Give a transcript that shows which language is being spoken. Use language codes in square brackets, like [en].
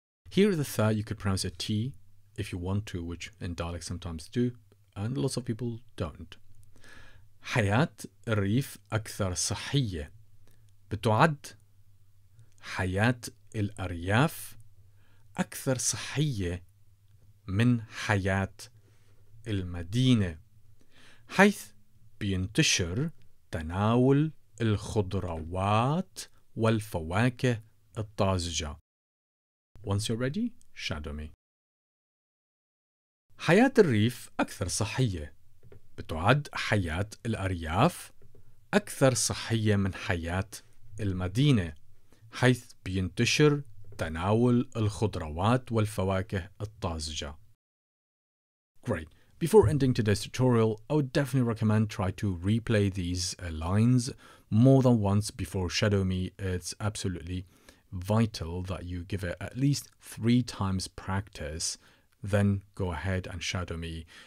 [en] Here the tha, you could pronounce a T if you want to, which in dialect sometimes do, and lots of people don't. [ar] حياة الريف أكثر صحية. بتعد حياة الأرياف أكثر صحية من حياة المدينة، حيث بينتشر تناول الخضروات والفواكه الطازجة. [en] Once you're ready, shadow me. [ar] حياة الريف أكثر صحية. بتعد حياة الأرياف أكثر صحية من حياة المدينة، حيث بينتشر تناول الخضروات والفواكه الطازجة. [en] Great. Before ending today's tutorial, I would definitely recommend try to replay these lines more than once before shadow me. It's absolutely vital that you give it at least 3 times practice, then go ahead and shadow me.